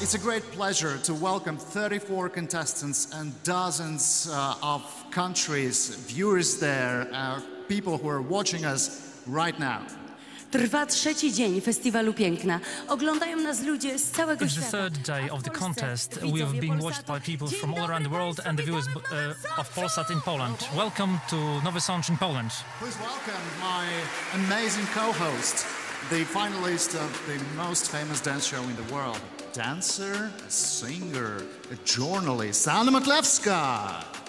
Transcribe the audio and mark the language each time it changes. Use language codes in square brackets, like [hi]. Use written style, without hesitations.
[en] It's a great pleasure to welcome 34 contestants and dozens of countries, viewers there, people who are watching us right now. [pl] Trwa trzeci dzień Festiwalu Piękna. Oglądają nas ludzie z całego świata. [en] It's the third day of the contest. We have been watched by people from all around the world and the viewers of Polsat in Poland. Welcome to Nowy Sącz in Poland. Please welcome my amazing co-host, the finalist of the most famous dance show in the world. Dancer, a singer, a journalist, Anna Maklewska.